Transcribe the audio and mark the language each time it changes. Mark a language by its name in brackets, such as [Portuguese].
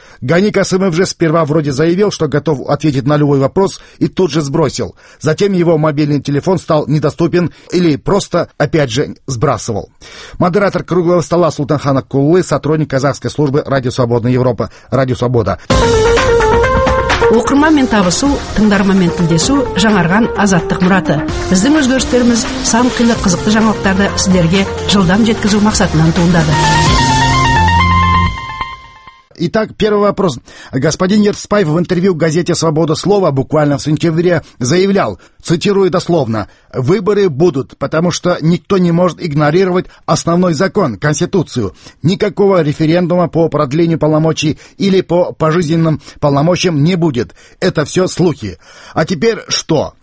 [Russian] Гани Касымов же сперва вроде заявил, что готов ответить на любой вопрос, и тут же сбросил. Затем его мобильный телефон стал недоступен или просто, опять же, сбрасывал. Модератор круглого стола Сұлтанхан Аққұлұлы, сотрудник казахской службы «Радио Свободной Европы», «Радио Свобода». [Kazakh] Оқырманмен табысу, тыңдарманмен тілдесу жаңарған азаттық мұраты. Біздің өзгерістеріміз сан қилы қызықты жаңалықтарды сіздерге жылдам жеткізу мақсатынан туындады. [Russian] Итак, первый вопрос. Господин Ертысбаев в интервью газете «Свобода слова» буквально в сентябре заявлял, цитирую дословно, «Выборы будут, потому что никто не может игнорировать основной закон, Конституцию. Никакого референдума по продлению полномочий или по пожизненным полномочиям не будет. Это все слухи». А теперь что?